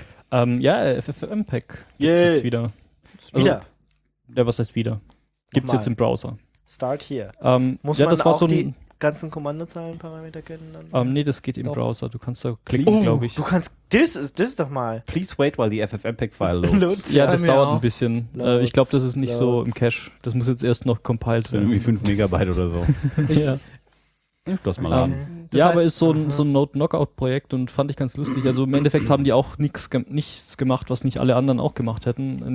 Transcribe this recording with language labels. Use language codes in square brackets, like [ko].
[de] Ja, FFmpeg gibt's jetzt wieder. Wieder? Also, ja, was heißt wieder? Gibt's jetzt im Browser. [en] Start here. [de] Muss ja, das man auch so die ganzen Kommandozeilen-Parameter kennen? Dann? Nee, das geht im Browser. Du kannst da klicken, glaube ich. Du kannst, das ist das doch mal. [en] Please wait while the FFmpeg-File loads. [de] Ja, das dauert ein bisschen. Ich glaube, das ist nicht so im Cache. Das muss jetzt erst noch compiled werden. Irgendwie 5 Megabyte oder so. Ja. Ich lass mal an. Aber ist so ein Node-Knockout-Projekt und fand ich ganz lustig. Also im Endeffekt haben die auch nichts gemacht, was nicht alle anderen auch gemacht hätten.